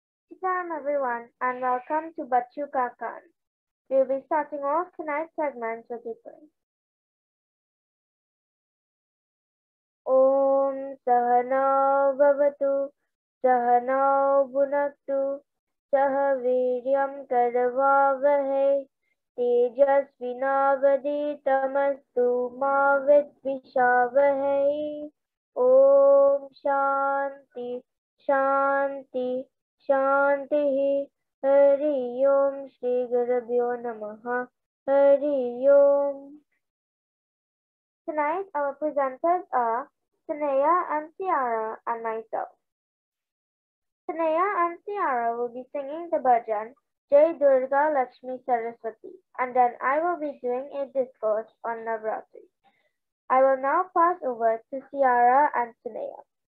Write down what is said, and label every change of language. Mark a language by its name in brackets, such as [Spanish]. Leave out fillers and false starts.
[English] Good time, everyone, and welcome to Bachu Kakand. We'll be starting off tonight's segment with you first. [Sanskrit] ॐ सहनावतु सहनावुनक्तु सह वीर्यं करवावहै तेजस्विनावधीतमस्तु मा विद्विषावहै ॐ शान्ति शान्ति शान्तिः हरि ॐ श्री गुरुभ्यो नमः हरि ॐ [English] Tonight our presenters are Taneya and Ciara and myself. Taneya and Ciara will be singing the bhajan Jai Durga Lakshmi Saraswati and then I will be doing a discourse on Navratri. I will now pass over to Ciara and Taneya.